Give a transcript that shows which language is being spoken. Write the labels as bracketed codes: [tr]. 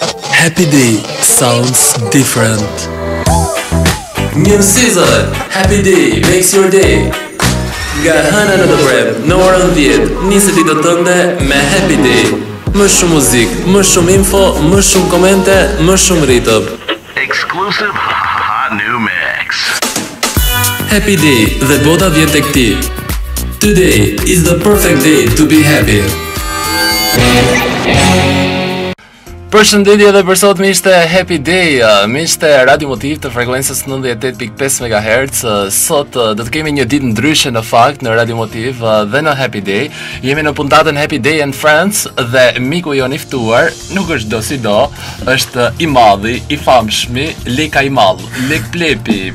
[en] Happy Day sounds different. New season, Happy Day makes your day. [sq] Nga hëna në The Prep, në orën 10, nisit i të tënde me Happy Day. Më shumë muzik, më shumë info, më shumë komente, më shumë ritëp. [en] Exclusive Hot New Mix. [sq] Happy Day dhe bota vjen tek ti. [en] Today is the perfect day to be happy. [sq] Përshëndetje edhe për sot miqtë e Happy Day, miqtë e Radio Motiv të frekuencës 98.5 MHz. Sot do të kemi një ditë ndryshe në fakt në Radio Motiv dhe në Happy Day. Jemi në puntatën Happy Day and Friends dhe miku jonë i ftuar nuk është do si do, është i madhi, i famshmi, Leka i Madh, Lek Plepi.